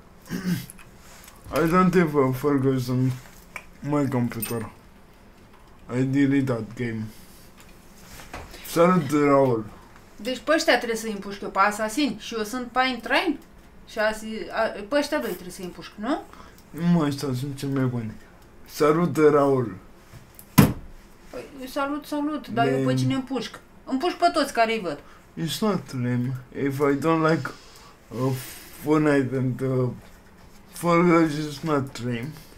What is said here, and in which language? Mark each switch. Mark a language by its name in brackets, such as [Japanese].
[English] I don't have a Fall Guys on my computer. I delete that game. [Romanian] Salut, Raul! Deci pe ăștia trebuie să-i împușc eu, pe asasin, și eu sunt pe Intrain. Și pe ăștia doi trebuie să-i împușc, nu? Nu mai stau, sunt cei mai buni. Salut, Raul! Salut, dar eu pe cine împușc? Împușc pe toți care-i văd. [English] It's not lame. If I don't like a Fortnite and a Fall Guys, it's not lame.